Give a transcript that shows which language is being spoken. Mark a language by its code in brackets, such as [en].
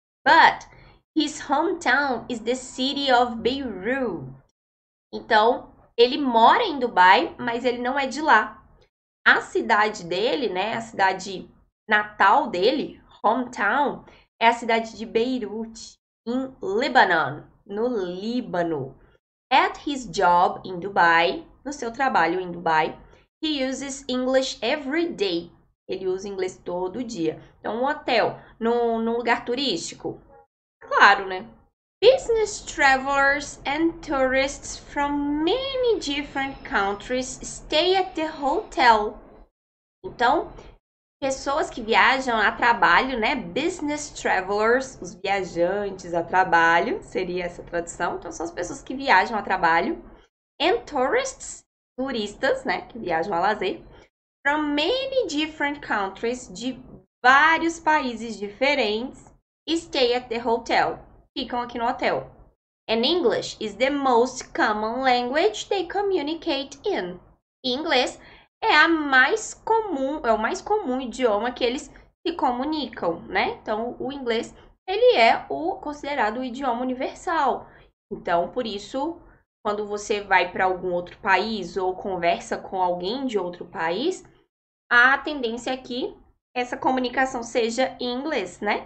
[en] But his hometown is the city of Beirut. [pt] Então, ele mora em Dubai, mas ele não é de lá. A cidade dele, né? A cidade natal dele, hometown, é a cidade de Beirute, em Lebanon, no Líbano. [en] At his job in Dubai, [pt] no seu trabalho em Dubai, [en] he uses English every day. [pt] Ele usa inglês todo dia. Então, um hotel num lugar turístico? Claro, né? [en] Business travelers and tourists from many different countries stay at the hotel. [pt] Então, pessoas que viajam a trabalho, né? [en] Business travelers, [pt] os viajantes a trabalho, seria essa tradução. Então, são as pessoas que viajam a trabalho. [en] And tourists, [pt] turistas, né? Que viajam a lazer. [en] From many different countries, [pt] de vários países diferentes, [en] stay at the hotel. [pt] Ficam aqui no hotel. [en] And English is the most common language they communicate in. [pt] Inglês é a mais comum, é o mais comum idioma que eles se comunicam, né? Então, o inglês, ele é o considerado o idioma universal. Então, por isso, quando você vai para algum outro país ou conversa com alguém de outro país, a tendência é que essa comunicação seja em inglês, né?